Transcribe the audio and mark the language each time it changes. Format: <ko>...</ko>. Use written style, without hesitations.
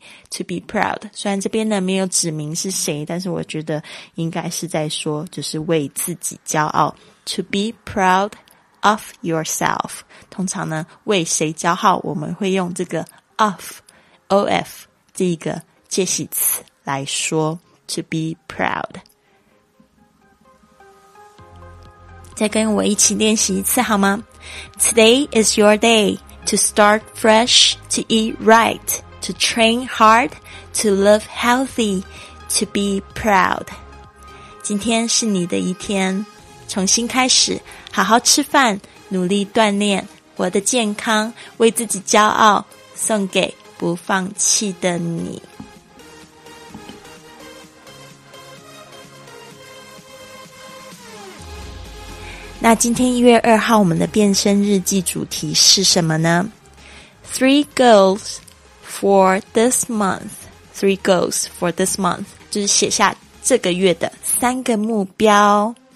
<en>to be proud</en> <zh>虽然这边呢没有指明是谁但是我觉得应该是在说就是为自己骄傲</zh> <en>to be proudof yourself</en> <zh>通常呢为谁骄傲我们会用这个 of of 这一个介系词来说 to be proud 再跟我一起练习一次好吗？</zh> <en>Today is your day to start fresh, to eat right, to train hard, to live healthy, to be proud.</en> <zh>今天是你的一天，重新开始，好好吃饭，努力锻炼，我的健康，为自己骄傲，送给不放弃的你。那今天1月2号我们的变身日记主题是什么呢？</zh> <en>Three goals for this month. Three goals for this month.</en> <zh>就是写下这个月的三个目标。</zh>